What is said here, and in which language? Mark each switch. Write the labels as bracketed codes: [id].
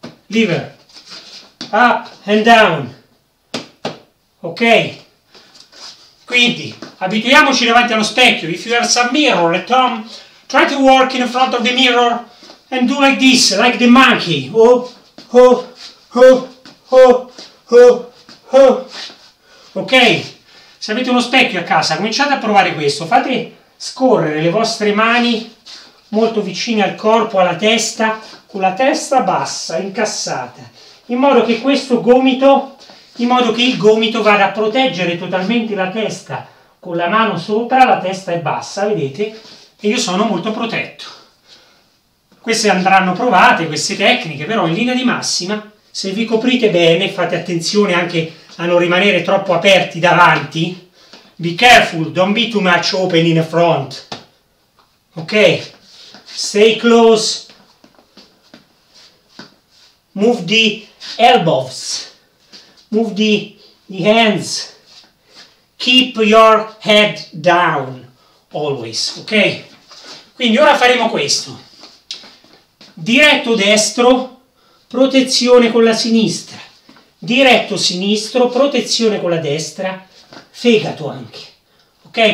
[en] Lever, up and down. [it] Ok, quindi abituiamoci davanti allo specchio. [en] If you have some mirror at home, try to work in front of the mirror and do like this, like the monkey. Ho, ho, ho, ho, ho, ho. [it] Ok, se avete uno specchio a casa, cominciate a provare questo. Fate scorrere le vostre mani molto vicine al corpo, alla testa, con la testa bassa, incassata, in modo che questo gomito, in modo che il gomito vada a proteggere totalmente la testa, con la mano sopra, la testa è bassa, vedete, e io sono molto protetto. Queste andranno provate, queste tecniche, però in linea di massima, se vi coprite bene, fate attenzione anche a non rimanere troppo aperti davanti, [en] be careful, don't be too much open in front, [it] ok? [en] Stay close. Move the elbows, move the hands, keep your head down, always, ok? [it] Quindi ora faremo questo, diretto destro, protezione con la sinistra, diretto sinistro, protezione con la destra, fegato anche, ok?